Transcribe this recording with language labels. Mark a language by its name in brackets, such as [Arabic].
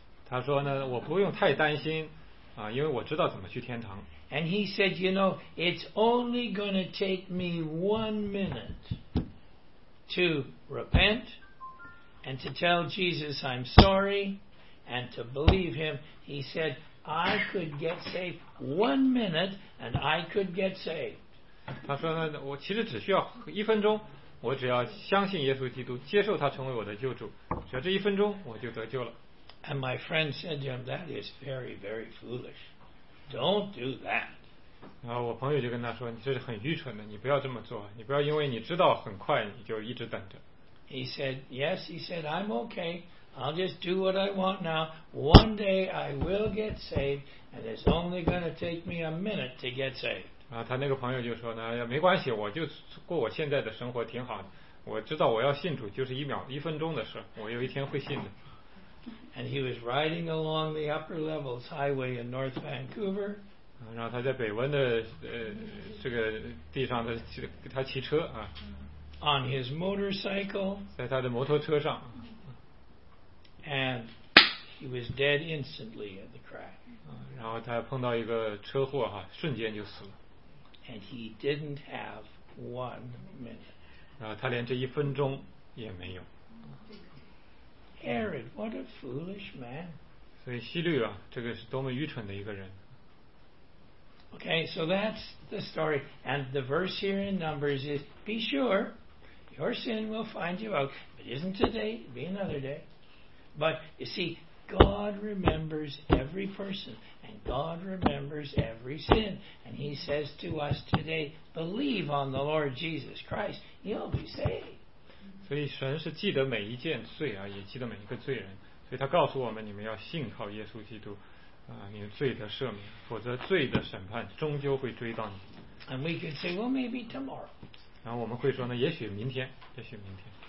[Chinese] 他说呢，我不用太担心，因为我知道怎么去天堂。 [English] And he said, you know, it's only going to take me 1 minute to repent and to tell Jesus I'm sorry. And to believe him, he said, I could get saved 1 minute and I could get saved. [Chinese] 他说呢，我其实只需要1分钟，我只要相信耶稣基督，接受他成为我的救主，只要这一分钟我就得救了。 [English] And my friend said to him, that is very, very foolish. Don't do that. [Chinese] 然后我朋友就跟他说，你这是很愚蠢的，你不要这么做，你不要因为你知道很快你就一直等着。 [English] He said, yes, he said, I'm okay. I'll just do what I want now. One day I will get saved, and it's only going to take me a minute to get saved. [Chinese] 然后他那个朋友就说呢，没关系，我就过我现在的生活挺好的，我知道我要信主就是一秒一分钟的事，我有一天会信的。 [English] And he was riding along the upper levels highway in North Vancouver. [Chinese] 然后他在北温的这个地上的他骑车啊。 [English] On his motorcycle. [Chinese] 在他的摩托车上。 [English] And he was dead instantly in the crash. [Chinese] 然后他碰到一个车祸哈，瞬间就死了。 [English] And he didn't have 1 minute. [Chinese] 他连这一分钟也没有。 [English] Herod, what a foolish man. [Chinese] 所以希律啊，这个是多么愚蠢的一个人。 [English] Okay, so that's the story. And the verse here in Numbers is, be sure, your sin will find you out. If it isn't today, it'll be another day. But you see, God remembers every person. God remembers every sin, and he says to us today, believe on the Lord Jesus Christ, you'll be saved. [Chinese] 所以神是记得每一件罪啊，也记得每一个罪人，所以他告诉我们，你们要信靠耶稣基督，你们罪得赦免，否则罪的审判终究会追到你。 [English] And we could say, well, maybe tomorrow. [Chinese] 然后我们会说呢，也许明天，也许明天。